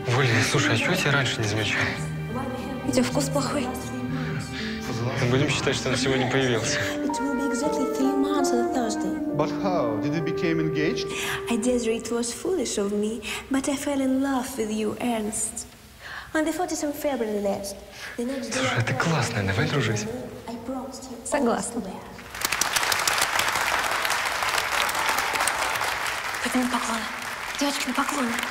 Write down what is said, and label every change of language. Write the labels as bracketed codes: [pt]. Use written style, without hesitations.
[ru] Блин, слушай, а чего я тебя раньше не замечал? У тебя вкус плохой. Будем считать, что он сегодня появился. [en] It will be exactly 3 months on Thursday. But how? Did you become engaged? I dare say it was foolish of me, but I fell in love with you, Ernst. On the 40th of February last. [ru] Слушай, это классно, давай дружить. Согласна. На поклоны. Девочки, на поклоны.